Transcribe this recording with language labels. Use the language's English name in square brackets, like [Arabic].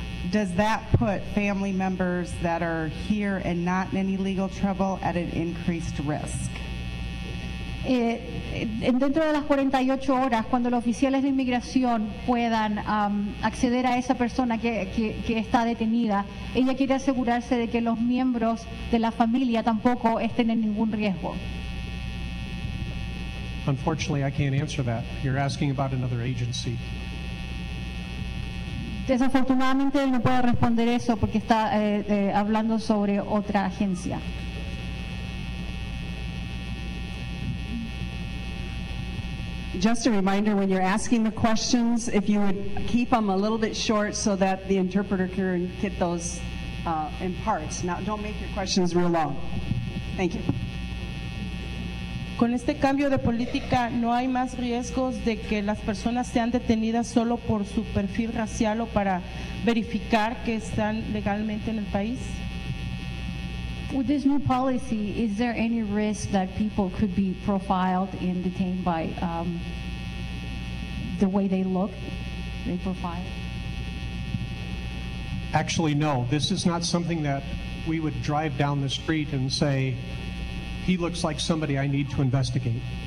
[English] Does that put family members that are here and not in any legal trouble at an increased risk? [Spanish] Dentro de las 48 horas, cuando los oficiales de inmigración puedan acceder a esa persona que está detenida, ella quiere asegurarse de que los miembros de la familia tampoco estén en ningún riesgo. [English] Unfortunately, I can't answer that. You're asking about another agency. [Spanish] Desafortunadamente no puedo responder eso porque está hablando sobre otra agencia. [English] Just a reminder, when you're asking the questions, if you would keep them a little bit short so that the interpreter can get those in parts. Now, don't make your questions real long. Thank you. [Spanish] Con este cambio de política, no hay más riesgos de que las personas sean detenidas solo por su perfil racial o para verificar que están legalmente en el país. [English] With this new policy, is there any risk that people could be profiled and detained by the way they look, their profile? Actually, no. This is not something that we would drive down the street and say, he looks like somebody I need to investigate.